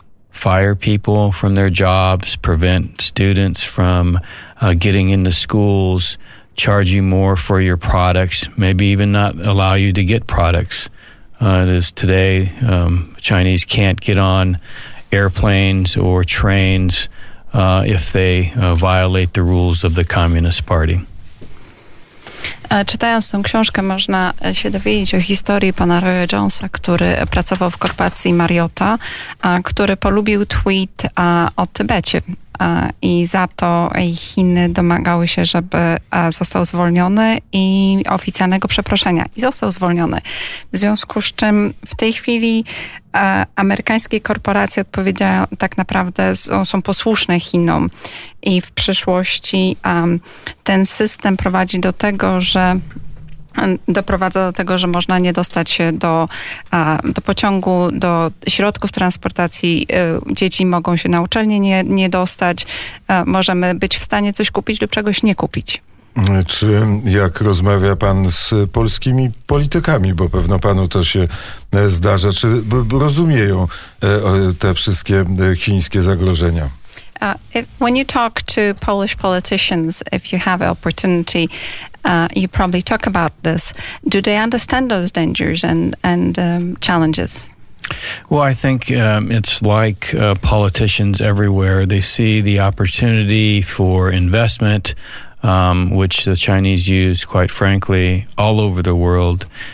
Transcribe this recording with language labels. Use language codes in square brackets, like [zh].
[en] fire people from their jobs, prevent students from getting into schools, charge you more for your products, maybe even not allow you to get products. It is today, Chinese can't get on airplanes or trains if they violate the rules of the Communist Party. [pl] Czytając tą książkę, można się dowiedzieć o historii pana Roya Jonesa, który pracował w korporacji Marriotta, który polubił tweet o Tybecie. I za to Chiny domagały się, żeby został zwolniony i oficjalnego przeproszenia. I został zwolniony. W związku z czym w tej chwili amerykańskie korporacje odpowiedzią tak naprawdę są posłuszne Chinom. I w przyszłości ten system prowadzi do tego, że doprowadza do tego, że można nie dostać się do pociągu, do środków transportacji. Dzieci mogą się na uczelnię nie dostać. Możemy być w stanie coś kupić lub czegoś nie kupić. Czy jak rozmawia pan z polskimi politykami, bo pewno panu to się zdarza, czy rozumieją te wszystkie chińskie zagrożenia? [en] When you talk to Polish politicians, if you have an opportunity, you probably talk about this. Do they understand those dangers and challenges? Well, I think it's like politicians everywhere. They see the opportunity for investment, which the Chinese use, quite frankly, all over the world.